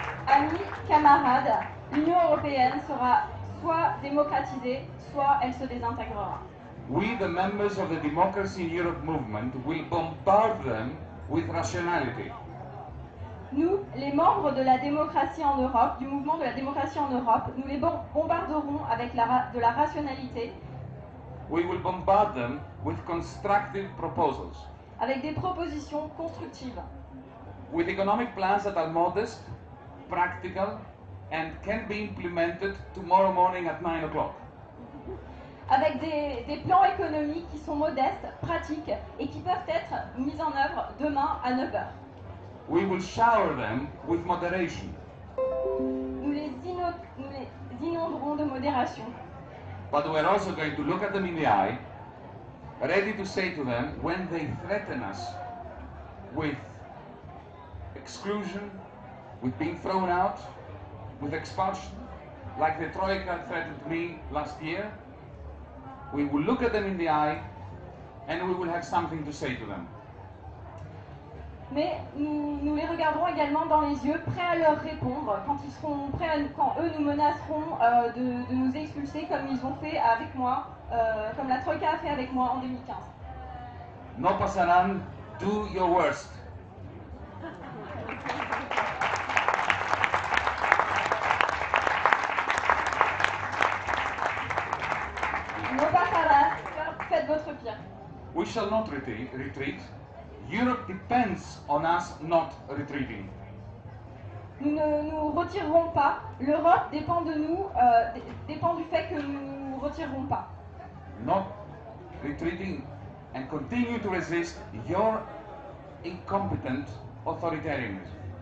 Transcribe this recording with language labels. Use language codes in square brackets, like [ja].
[fr] Amis, camarades, l'Union européenne sera soit démocratisée, soit elle se désintégrera. [en] We, the members of the Democracy in Europe movement, will bombard them with rationality. [fr] Nous, les membres de la démocratie en Europe, du mouvement de la démocratie en Europe, nous les bombarderons avec de la rationalité. [en] We will bombard them with constructive proposals. [fr] Avec des propositions constructives. [en] With economic plans that are modest, practical, and can be implemented tomorrow morning at 9 o'clock. [fr] Avec des plans économiques qui sont modestes, pratiques, et qui peuvent être mis en œuvre demain à 9 heures. [en] We will shower them with moderation. [fr] Nous les inonderons de modération. [en] But we are also going to look at them in the eye, ready to say to them when they threaten us with exclusion, with being thrown out, with expulsion, like the Troika threatened me last year. We will look at them in the eye and we will have something to say to them. [fr] Mais nous les regarderons également dans les yeux, prêts à leur répondre, quand eux nous menaceront de nous expulser comme ils ont fait avec moi, comme la Troïka a fait avec moi en 2015. [es] No pasarán, [en] do your worst. [es] No pasarán, [fr] faites votre pire. [en] We shall not retreat. Europe depends on us not retreating. [fr] Nous ne nous retirerons pas. L'Europe dépend de nous, dépend du fait que nous ne nous retirerons pas. [en] Not retreating and continue to resist your incompetent authoritarianism.